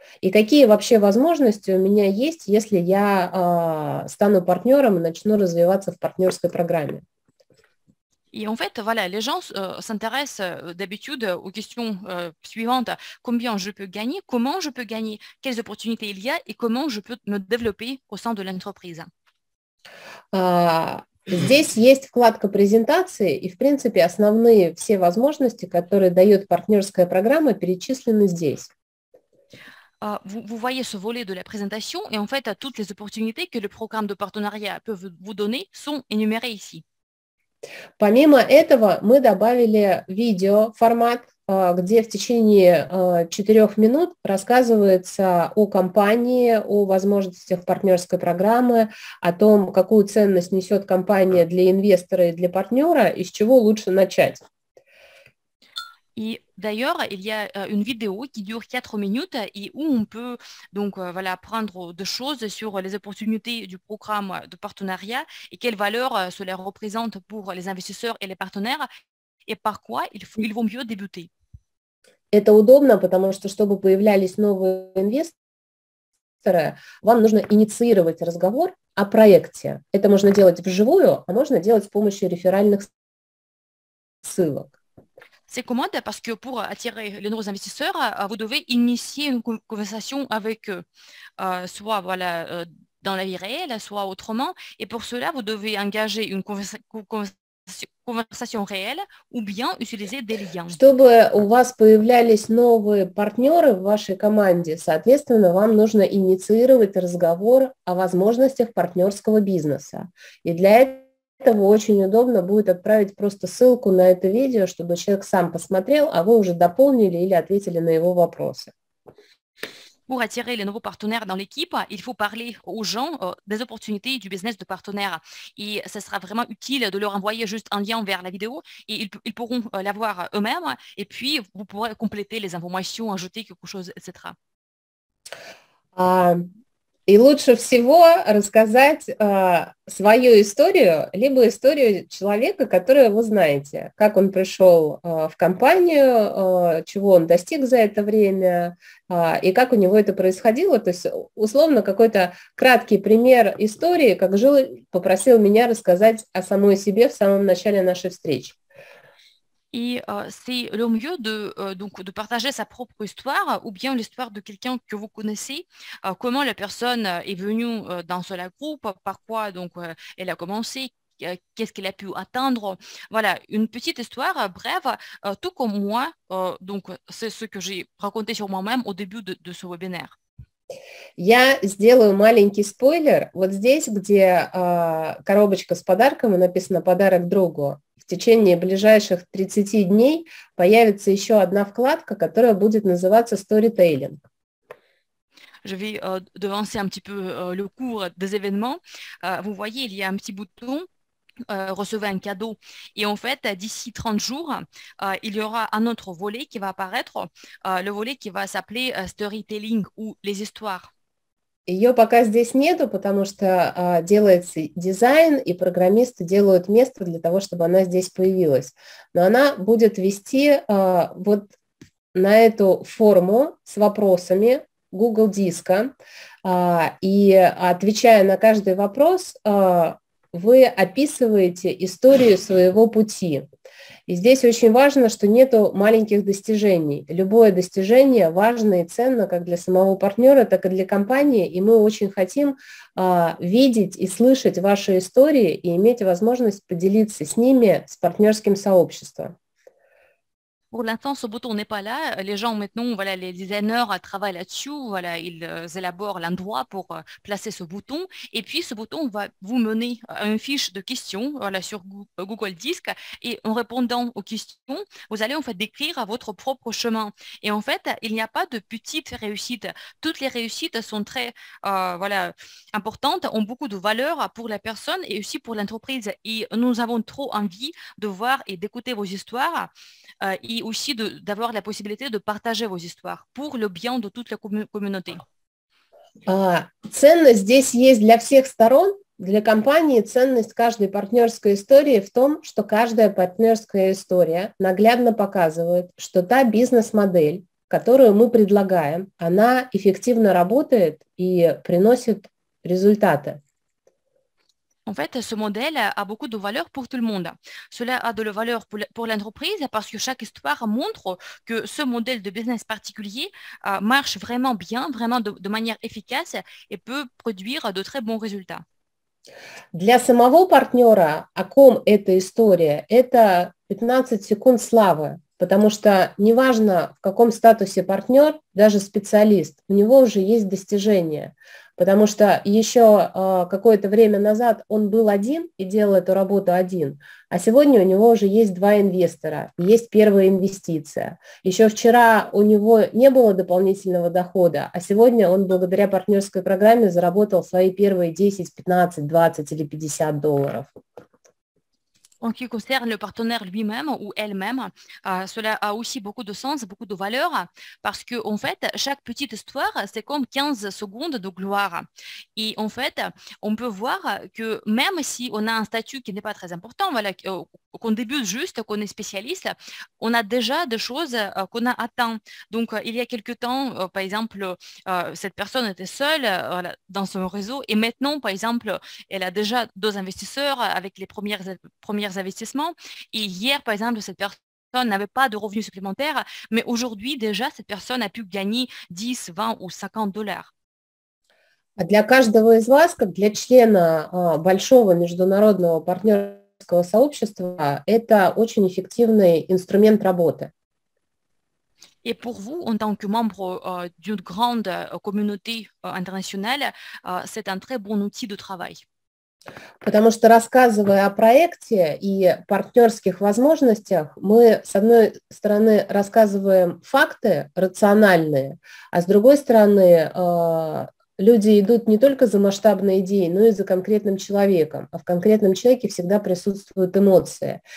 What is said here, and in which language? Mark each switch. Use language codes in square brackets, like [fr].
[ru] И какие вообще возможности у меня есть, если я стану партнером и начну развиваться в партнерской программе? [fr] Et en fait, voilà, les gens s'intéressent d'habitude aux questions suivantes. Combien je peux gagner? Comment je peux gagner? Quelles opportunités il y a? Et comment je peux me développer au sein de l'entreprise? [ru] Здесь есть вкладка презентации, и, в принципе, основные все возможности, которые дает партнерская программа, перечислены здесь. [fr] Vous voyez ce volet de la présentation, et en fait, toutes les opportunités que le programme de partenariat peut vous donner sont énumérées ici. [ru] Помимо этого, мы добавили видеоформат, где в течение 4 минут рассказывается о компании, о возможностях партнерской программы, о том, какую ценность несет компания для инвестора и для партнера, и с чего лучше начать. И, [fr] d'ailleurs, il y a une vidéo qui dure 4 minutes et où on peut donc voilà apprendre des choses sur les opportunités du programme de partenariat et quelle valeur cela représente pour les investisseurs et les partenaires et par quoi il vaut mieux débuter. [ru] Это удобно, потому что чтобы появлялись новые инвесторы, вам нужно инициировать разговор о проекте. Это можно делать вживую, а можно делать с помощью реферальных ссылок. [fr] C'est commode parce que pour attirer les nouveaux investisseurs, vous devez initier une conversation avec eux, soit voilà, dans la vie réelle, soit autrement. Et pour cela, vous devez engager une conversation réelle ou bien utiliser des liens. [ru] Чтобы у вас появлялись новые партнеры в вашей команде, соответственно, вам нужно инициировать разговор о возможностях партнерского бизнеса. И для этого очень удобно будет отправить просто ссылку на это видео, чтобы человек сам посмотрел, а вы уже дополнили или ответили на его вопросы. [fr] Pour attirer les nouveaux partenaires dans l'équipe, il faut parler aux gens des opportunités du business de partenaire. Et ce sera vraiment utile de leur envoyer juste un lien vers la vidéo et ils pourront la voir eux-mêmes. Et puis, vous pourrez compléter les informations, ajouter quelque chose, etc. [ru] И лучше всего рассказать свою историю, либо историю человека, которого вы знаете, как он пришел в компанию, чего он достиг за это время, и как у него это происходило. То есть, условно, какой-то краткий пример истории, как Жил попросил меня рассказать о самой себе в самом начале нашей встречи. И [fr] c'est le mieux de donc de partager sa propre histoire ou bien l'histoire de quelqu'un que vous connaissez, comment la personne est venue dans ce groupe, par quoi donc elle a commencé, qu'est-ce qu'elle a pu atteindre. Voilà, une petite histoire brève, tout comme moi, donc c'est ce que j'ai raconté sur moi-même au début de ce webinaire. [ru] Я сделаю маленький спойлер. Вот здесь, где коробочка с подарками, написано «Подарок другу», в течение ближайших 30 дней появится еще одна вкладка, которая будет называться «Storytelling». [fr] Je vais devancer un petit peu le cours des événements. Vous voyez, il y a un petit bouton «Recevez un cadeau». Et en fait, d'ici 30 jours, il y aura un autre volet qui va apparaître, le volet qui va s'appeler «Storytelling» ou «Les histoires». [ru] Ее пока здесь нету, потому что делается дизайн, и программисты делают место для того, чтобы она здесь появилась. Но она будет вести вот на эту форму с вопросами Google Диска, и отвечая на каждый вопрос, вы описываете историю своего пути. И здесь очень важно, что нету маленьких достижений. Любое достижение важно и ценно как для самого партнера, так и для компании. И мы очень хотим видеть и слышать ваши истории и иметь возможность поделиться с ними, с партнерским сообществом. [fr] Pour l'instant, ce bouton n'est pas là. Les gens maintenant, voilà, les designers travaillent là-dessus. Voilà, ils élaborent l'endroit pour placer ce bouton. Et puis, ce bouton va vous mener à une fiche de questions, voilà, sur Google Disk. Et en répondant aux questions, vous allez en fait décrire votre propre chemin. Et en fait, il n'y a pas de petites réussites. Toutes les réussites sont très, voilà, importantes, ont beaucoup de valeur pour la personne et aussi pour l'entreprise. Et nous avons trop envie de voir et d'écouter vos histoires. [ru] И [fr] aussi d'avoir la possibilité de partager vos histoires pour le bien de toute la communauté. [ru] Ценность здесь есть для всех сторон, Для компании ценность каждой партнерской истории в том, что каждая партнерская история наглядно показывает, что та бизнес-модель, которую мы предлагаем, она эффективно работает и приносит результаты. [fr] En fait, ce modèle a beaucoup de valeur pour tout le monde. Cela a de la valeur pour l'entreprise parce que chaque histoire montre que ce modèle de business particulier marche vraiment bien, vraiment de manière efficace et peut produire de très bons résultats. [ru] Для самого партнера, о ком эта история, это 15 секунд славы, потому что неважно, в каком статусе партнер, даже специалист, у него уже есть достижения. Потому что еще какое-то время назад он был один и делал эту работу один, а сегодня у него уже есть два инвестора, есть первая инвестиция. Еще вчера у него не было дополнительного дохода, а сегодня он благодаря партнерской программе заработал свои первые 10, 15, 20 или 50 долларов. [fr] En ce qui concerne le partenaire lui-même ou elle-même, cela a aussi beaucoup de sens, beaucoup de valeur, parce que en fait, chaque petite histoire, c'est comme 15 secondes de gloire. Et en fait, on peut voir que même si on a un statut qui n'est pas très important, voilà, qu'on débute juste, qu'on est spécialiste, on a déjà des choses qu'on a atteint. Donc, il y a quelque temps, par exemple, cette personne était seule voilà, dans son réseau, et maintenant, par exemple, elle a déjà deux investisseurs avec les premiers investissements. Et hier, par exemple, cette personne n'avait pas de revenus supplémentaires, mais aujourd'hui, déjà, cette personne a pu gagner 10, 20 ou 50 dollars. [ru] А для каждого из вас, как для члена большого международного партнерского сообщества, это очень эффективный инструмент работы. И [fr] pour vous, en tant que membre d'une grande communauté internationale, c'est un très bon outil de travail. [ru] Потому что, рассказывая о проекте и партнерских возможностях, мы, с одной стороны, рассказываем факты рациональные, а с другой стороны, люди идут не только за масштабной идеей, но и за конкретным человеком, а в конкретном человеке всегда присутствуют эмоции.